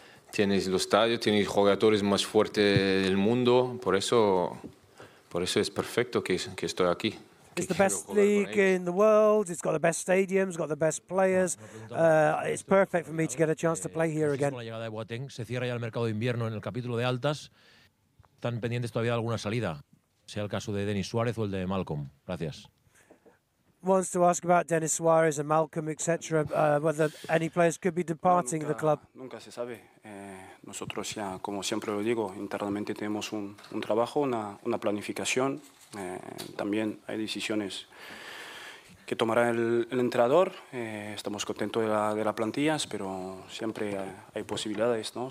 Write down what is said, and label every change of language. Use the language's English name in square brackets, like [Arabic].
[Spanish] Tienes los estadios, tienes jugadores más fuertes del mundo, por eso es perfecto que estoy aquí. [English] It's the best league in the world, it's got the best stadiums, it's got the best players. It's perfect for me to get a chance to play here again. [Spanish] Con la llegada de Boateng, se cierra ya el mercado de invierno en el capítulo de altas. ¿Están pendientes todavía de alguna salida? Sea el caso de Denis Suárez o el de Malcolm. Gracias. [English] Wants to ask about Denis Suárez and Malcolm, etc., whether any players could be departing [Spanish] nunca, [English] the club. [Spanish] Nunca se sabe. Nosotros ya, como siempre lo digo, internamente tenemos un trabajo, una planificación. También hay decisiones que tomará el entrenador. Estamos contentos de la plantilla, pero siempre hay posibilidades, ¿no?